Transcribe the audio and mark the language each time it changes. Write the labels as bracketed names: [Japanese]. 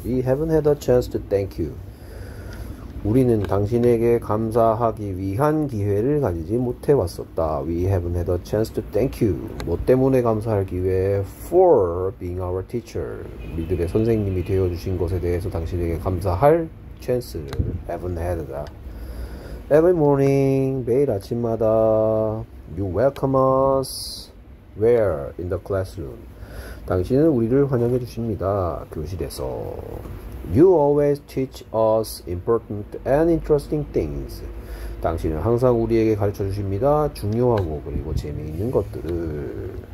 [English] We haven't had a chance to thank you. [Korean] 우리는 당신에게 감사하기 위한 기회를 가지지 못해 왔었다. [English] We haven't had a chance to thank you. [Korean] 뭐 때문에 감사하기 위해 [English] for being our teacher. [Korean] 우리들의 선생님이 되어 주신 것에 대해서 당신에게 감사할 chance를 [English] haven't had [Korean] 다. [English] Every morning, [Korean] 매일 아침마다 [English] you welcome us where in the classroom? [Korean] 당신은 우리를 환영해 주십니다. 교실에서. [English] You always teach us important and interesting things. [Korean] 당신은 항상 우리에게 가르쳐 주십니다. 중요하고 그리고 재미있는 것들을.